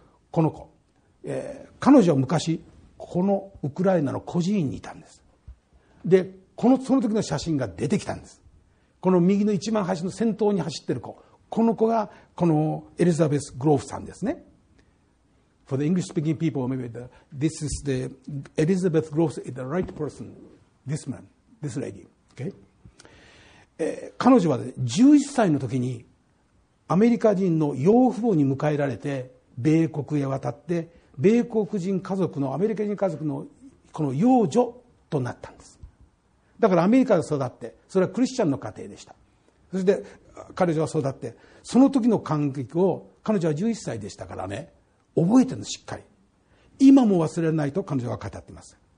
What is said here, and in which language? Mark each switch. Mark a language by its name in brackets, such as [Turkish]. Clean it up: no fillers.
[Japanese] この子、彼女は昔このウクライナの孤児院にいたんです。で、その時の写真が出てきたんです。この右の一番端の先頭に走ってる子、この子がこのエリザベス・グローフさんですね。 [English] For the English speaking people, maybe this is the Elizabeth Groves is the right person, this man, this lady. Okay? [Japanese] 彼女は11歳の時にアメリカ人の養父母に迎えられて米国へ渡って、米国人家族のアメリカ人家族のこの養女となったんです。だからアメリカで育って、それはクリスチャンの家庭でした。そして彼女は育って、その時の感激を、彼女は11歳でしたからね、覚えてるの、しっかり今も忘れないと彼女は語っています。